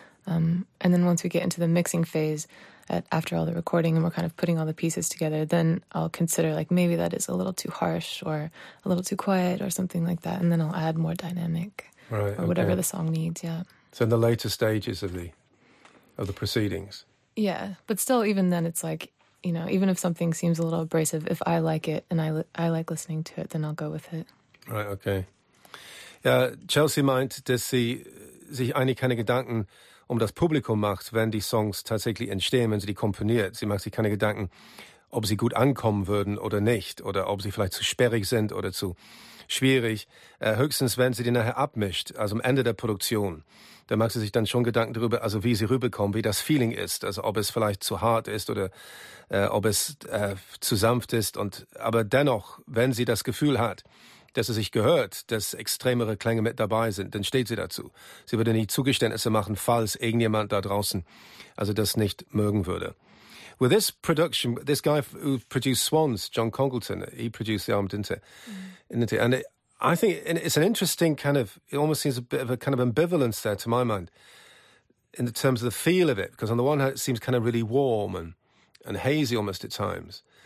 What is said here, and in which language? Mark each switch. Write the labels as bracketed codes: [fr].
[en] And then once we get into the mixing phase, after all the recording and we're kind of putting all the pieces together, then I'll consider, like, maybe that is a little too harsh or a little too quiet or something like that, and then I'll add more dynamic. Right, or whatever, okay. The song needs, yeah. So in the later stages of the proceedings. Yeah, but still, even then, it's like, you know, even if something seems a little abrasive, if I like it and I like listening to it, then I'll go with it. Right, okay. [de] Ja, Chelsea meint, dass sie sich eigentlich keine Gedanken um das Publikum macht, wenn die Songs tatsächlich entstehen, wenn sie die komponiert. Sie macht sich keine Gedanken, ob sie gut ankommen würden oder nicht, oder ob sie vielleicht zu sperrig sind oder zu schwierig. Höchstens, wenn sie die nachher abmischt, also am Ende der Produktion, dann macht sie sich dann schon Gedanken darüber, also wie sie rüberkommen, wie das Feeling ist, also ob es vielleicht zu hart ist oder ob es zu sanft ist. Und aber dennoch, wenn sie das Gefühl hat, dass sie sich gehört, dass extremere Klänge mit dabei sind, dann steht sie dazu. Sie würde nie Zugeständnisse machen, falls irgendjemand da draußen also das nicht mögen würde. [en] With this production, this guy who produced Swans, John Congleton, he produced the album, didn't he? Mm-hmm. And I think it's an interesting kind of, it almost seems a bit of a kind of ambivalence there to my mind in the terms of the feel of it. Because on the one hand, it seems kind of really warm and hazy almost at times.